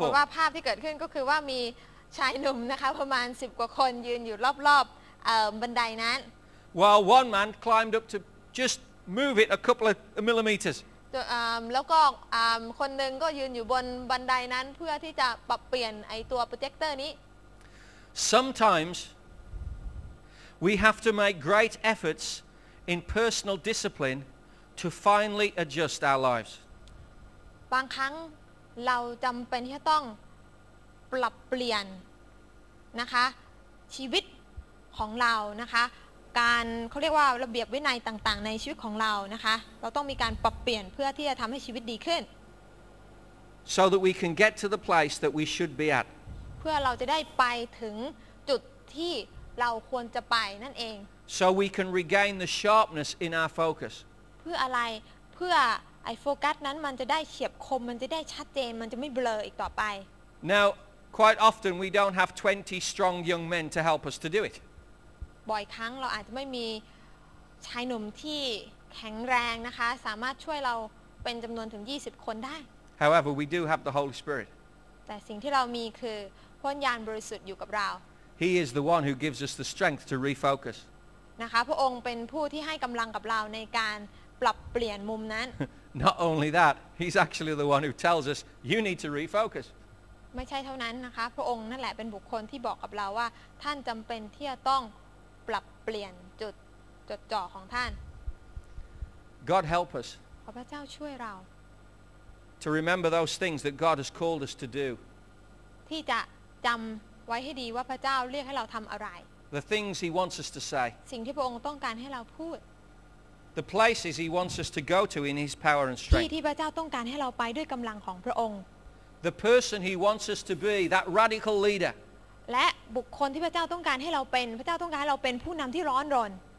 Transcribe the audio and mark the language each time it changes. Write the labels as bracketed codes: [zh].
[th] ปรากฏว่าภาพที่เกิดขึ้นก็คือว่ามีชายหนุ่มนะคะประมาณ10กว่าคนยืนอยู่รอบๆบันไดนั้น [en] While one man climbed up to just move it a couple of millimeters [th] แล้วก็คนนึงก็ยืนอยู่บนบันไดนั้นเพื่อที่จะปรับเปลี่ยนไอ้ตัวโปรเจคเตอร์นี้ [en] Sometimes we have to make great efforts in personal disciplineTo finally adjust our lives. [th] บางครั้งเราจำเป็นที่ต้องปรับเปลี่ยนนะคะชีวิตของเรานะคะการเขาเรียกว่าระเบียบวินัยต่างๆในชีวิตของเรานะคะเราต้องมีการปรับเปลี่ยนเพื่อที่จะทำให้ชีวิตดีขึ้น [en] So that we can get to the place that we should be at. [th] เพื่อเราจะได้ไปถึงจุดที่เราควรจะไปนั่นเอง [en] So we can regain the sharpness in our focus. [th] เพื่ออะไรเพื่อไอ้โฟกัสนั้นมันจะได้เฉียบคมมันจะได้ชัดเจนมันจะไม่เบลออีกต่อไป [en] Now quite often we don't have 20 strong young men to help us to do it [th] บ่อยครั้งเราอาจจะไม่มีชายหนุ่มที่แข็งแรงนะคะสามารถช่วยเราเป็นจำนวนถึง20คนได้ [en] However we do have the Holy Spirit [th] แต่สิ่งที่เรามีคือพระวิญญาณบริสุทธิ์อยู่กับเรา [en] He is the one who gives us the strength to refocus [th] นะคะพระองค์เป็นผู้ที่ให้กำลังกับเราในการปรับเปลี่ยนมุมนั้น [en] Not only that, he's actually the one who tells us you need to refocus. [th] ไม่ใช่เท่านั้นนะคะพระองค์นั่นแหละเป็นบุคคลที่บอกกับเราว่าท่านจำเป็นที่จะต้องปรับเปลี่ยนจุดจ่อของท่าน [en] God help us. [th] ขอพระเจ้าช่วยเรา [en] To remember those things that God has called us to do. [th] ที่จะจำไว้ให้ดีว่าพระเจ้าเรียกให้เราทำอะไร [en] The things He wants us to say. [th] สิ่งที่พระองค์ต้องการให้เราพูด [en] The places he wants us to go to in his power and strength. [th] ที่พระเจ้าต้องการให้เราไปด้วยกำลังของพระองค์ [en] The person he wants us to be, that radical leader. [th] และบุคคลที่พระเจ้าต้องการให้เราเป็นพระเจ้าต้องการให้เราเป็นผู้นำที่ร้อนรน